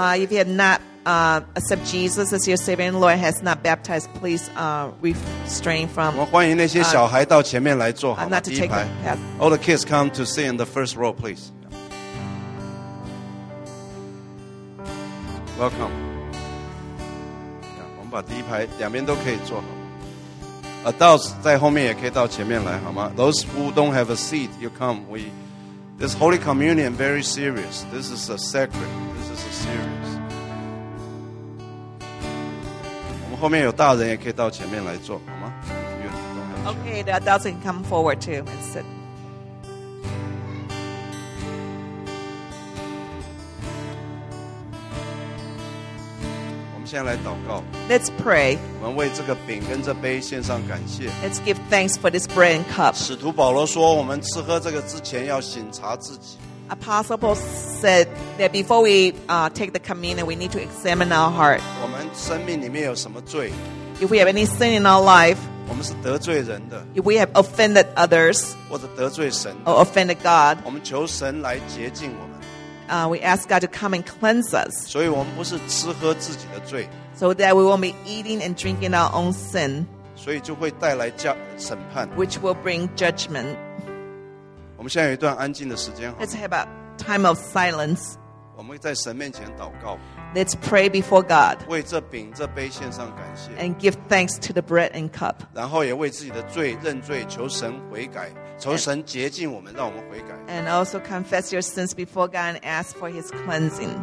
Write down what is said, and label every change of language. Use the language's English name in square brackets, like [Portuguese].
[English] If you have not accepted Jesus as your Savior and Lord has not baptized, please restrain from [Chinese] 我们欢迎那些小孩到前面来坐好吗? [English] Not to take the path. All the kids come to sit in the first row, please. Welcome. [Chinese] Yeah, 我们把第一排两边都可以坐好。Adults在后面也可以到前面来，好吗？ [English] Those who don't have a seat, you come. This Holy Communion very serious. This is a sacred. This is a serious. [Chinese] 我们后面有大人也可以到前面来坐，好吗？ [English] Okay, the adults can come forward too and sit. [Chinese] 现在来祷告, [English] let's pray. [Chinese] 我们为这个饼跟这杯献上感谢。 [English] Let's give thanks for this bread and cup. [Chinese] 使徒保罗说, 我们吃喝这个之前要省察自己。 [English] Apostle Paul said that before we take the communion, we need to examine our heart. [Chinese] 我们生命里面有什么罪? [English] If we have any sin in our life, [Chinese] 我们是得罪人的, [English] if we have offended others, [Chinese] 或者得罪神, [English] or offended God, [Chinese] 我们求神来洁净我们。 [English] We ask God to come and cleanse us. [Chinese] 所以我们不是吃喝自己的罪, [English] so that we won't be eating and drinking our own sin. [Chinese] 所以就会带来审判, [English] which will bring judgment. [Chinese] 我们现在有一段安静的时间。 [English] Let's have a time of silence. [Chinese] 我们在神面前祷告。 [English] Let's pray before God. [Chinese] 为这饼这杯献上感谢。 [English] And give thanks to the bread and cup. [Chinese] 然后也为自己的罪认罪，求神悔改。求神洁净我们，让我们悔改。 [English] And also confess your sins before God and ask for his cleansing.